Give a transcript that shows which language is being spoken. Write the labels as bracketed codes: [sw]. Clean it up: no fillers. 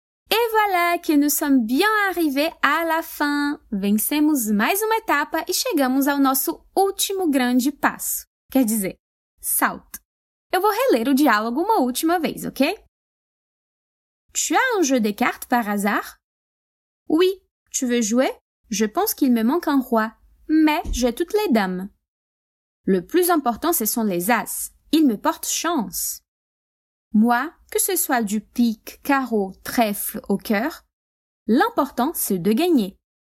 [fr] Et voilà que nous sommes bien arrivés à la fin. [pt] Vencemos mais uma etapa e chegamos ao nosso último grande passo. Quer dizer, salto. Eu vou reler o diálogo uma última vez, ok? [fr] Tu as un jeu de cartes par hasard? Oui, tu veux jouer? Je pense qu'il me manque un roi, mais j'ai toutes les dames. Le plus important, ce sont les as. Ils me portent chance. Moi, que ce soit du pique, carreau, trèfle ou cœur, l'important, c'est de gagner.